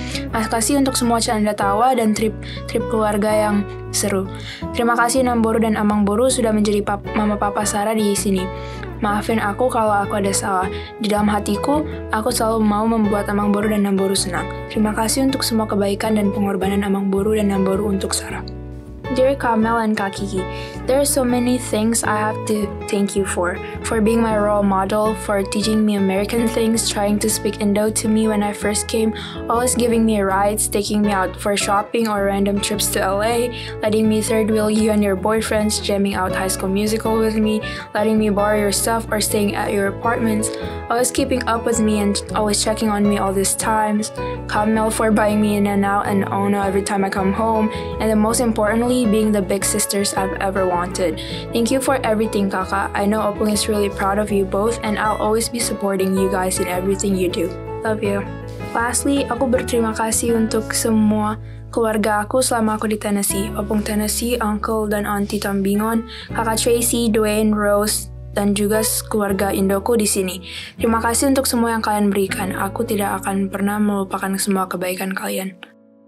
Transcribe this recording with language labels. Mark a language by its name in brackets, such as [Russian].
[Indonesian] Terima kasih untuk semua canda tawa dan trip keluarga yang seru. Terima kasih Mang Boru dan Mang Boru sudah menjadi mama papa Sarah di sini. Maafin aku kalau aku ada salah. Di dalam hatiku, aku selalu mau membuat Mang Boru dan Mang Boru senang. Terima kasih untuk semua kebaikan dan pengorbanan Mang Boru dan Mang Boru untuk Sarah. [English] Dear Kamel and Kak Kiki, there are so many things I have to thank you for being my role model, for teaching me American things, trying to speak Indo to me when I first came, always giving me rides, taking me out for shopping or random trips to LA, letting me third wheel you and your boyfriends, jamming out High School Musical with me, letting me borrow your stuff or staying at your apartments, always keeping up with me and always checking on me all these times, Kamel for buying me in and out and Ono every time I come home, and the most importantly, being the big sisters I've ever wanted. Thank you for everything, Kaka. I know Opung is really proud of you both, and I'll always be supporting you guys in everything you do. Love you. Lastly, [Indonesian] aku berterima kasih untuk semua keluarga aku selama aku di Tennessee. Opung Tennessee, Uncle dan Auntie Tambingon, Kakak Tracy, Dwayne, Rose, dan juga keluarga Indoku di sini. Terima kasih untuk semua yang kalian berikan. Aku tidak akan pernah melupakan semua kebaikan kalian.